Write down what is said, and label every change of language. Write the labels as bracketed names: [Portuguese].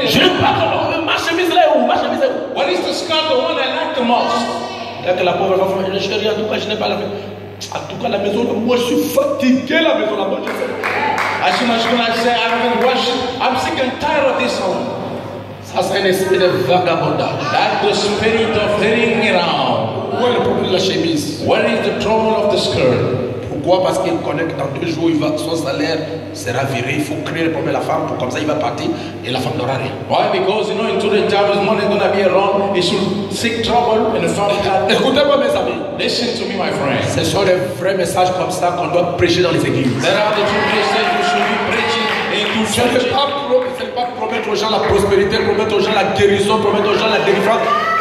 [French] Je n'aime pas qu'on dépose ma chemise là où. Ma chemise là où. [English] What is the scarf, the one I like the most? [French] Dès que la pauvre femme, je ne sais rien, en tout cas je n'ai pas la main. En tout cas la maison, moi je suis fatigué la maison là-bas, je sais. [English] As soon as when I say I'm in rush, I'm sick and tired of this home. [French] Ça, c'est un esprit de vagabondage. [English] That's the spirit of hanging around. [French] Où est le problème de la chemise? [English] Where is the trouble of the skirt? [French] Pourquoi? Parce qu'il connaît que dans deux jours, il va, son salaire sera viré. Il faut créer le problème de la femme. Pour comme ça, il va partir et la femme n'aura rien. [English] Why? Because, you know, in 2 days, his money is going to be around. He should seek trouble in the family. [French] Écoutez-moi, mes amis. [English] Listen to me, my friend. [French] Ce sont des vrais messages comme ça qu'on doit prêcher dans les églises. [English] There are the two messages you should be preaching. [French] Ce n'est pas promettre aux gens la prospérité, promettre aux gens la guérison, promettre aux gens la délivrance.